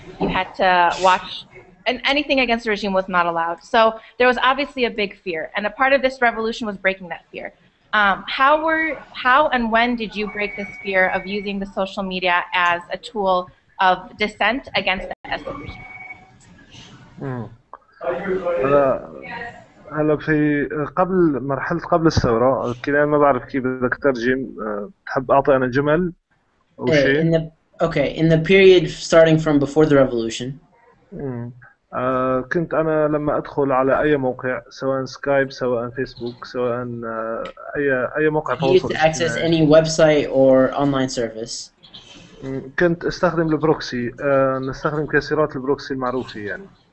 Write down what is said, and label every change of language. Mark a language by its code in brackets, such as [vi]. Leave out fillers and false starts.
[en] You had to watch. And anything against the regime was not allowed. So there was obviously a big fear, and a part of this revolution was breaking that fear. How and when did you break this fear of using the social media as a tool of dissent against the Assad regime? [ar] هلا في قبل مرحلة قبل الثورة كنا ما بعرف كيف بدك ترجم تحب أعطي أنا جمل أو شيء. [en] Okay, in the period starting from before the revolution. [ar] كنت أنا لما أدخل على أي موقع سواء سكايب سواء فيسبوك سواء أي موقع تواصل. [en] You access any website or online service. [ar] كنت أستخدم البروكسي نستخدم كسيرات البروكسي المعروفة يعني.